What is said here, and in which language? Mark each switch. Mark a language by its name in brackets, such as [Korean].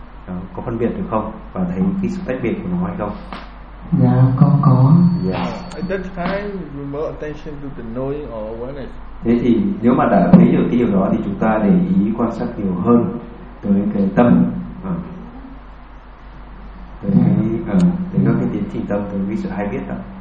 [Vietnamese] Có phân biệt được không? Và thấy cái sự tách biệt của nó hay không? Dạ, con có. [English] Yes. At that time, you more attention to the knowing or awareness. [Vietnamese] Thế thì nếu mà đã thấy được cái điều đó thì chúng ta để ý quan sát nhiều hơn tới cái tâm. Tới các cái tiến trình tâm, tới cái sự hay biết đó.